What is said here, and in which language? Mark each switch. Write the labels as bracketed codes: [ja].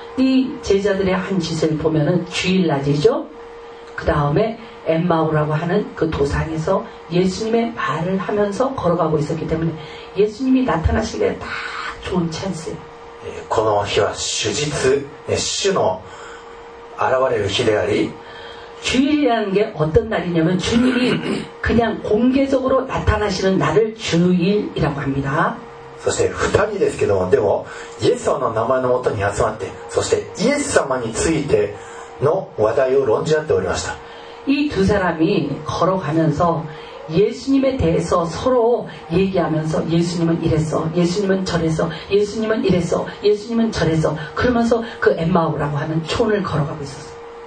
[ko] 이제자들의한짓을보면은주일낮이죠그다음에엠마오라고하는그도상에서예수님의말을하면서걸어가고있었기때문에예수님이나타나시기에딱좋은찬스예요 [ja] この日は主日、主の現れる日であり [ko] 주일이라는게어떤날이냐면주님이그냥공개적으로나타나시는날을주일이라고합니다 [ja] そして二人ですけども、でもイエス様の名前のもとに集まって、そしてイエス様についての話題を論じ合っておりました。 [ko] 이두사람이걸어가면서예수님에대해서서로얘기하면서예수님은이랬어예수님은저랬어예수님은이랬어예수님은저랬어그러면서그엠마오라고하는촌을걸어가고있었어